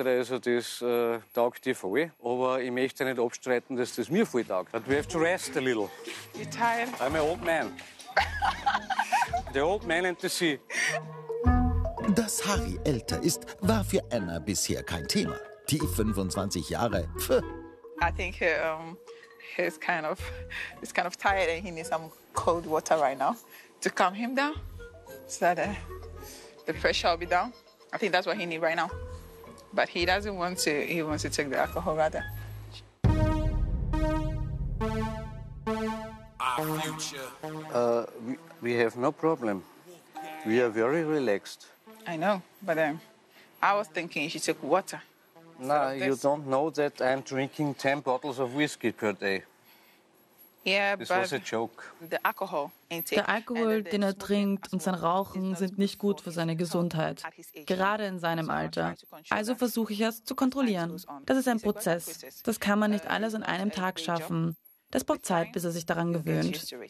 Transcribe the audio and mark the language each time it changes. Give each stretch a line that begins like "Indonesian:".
German: Also das taugt dir voll. Aber ich möchte nicht abstreiten, dass das mir voll taugt.
English: But we have to rest a little. You're tired. I'm an old man. The old man and the sea.
German: Dass Harry älter ist, war für Anna bisher kein Thema. Die 25 Jahre.
English: I think he's kind of tired and he needs some cold water right now to calm him down. So that the pressure will be down. I think that's what he needs right now. But he doesn't want to. He wants to take the alcohol rather. Our future. We have no problem. We are very relaxed. I know, but I was thinking you should take water. No, you don't know that I'm drinking 10 bottles of whiskey per day. Yeah, this was a joke. The alcohol intake.
German: Der Alkohol, den er trinkt, und sein Rauchen sind nicht gut für seine Gesundheit, gerade in seinem Alter. Also versuche ich es zu kontrollieren. Das ist ein Prozess. Das kann man nicht alles in einem Tag schaffen. Das braucht Zeit, bis er sich daran gewöhnt.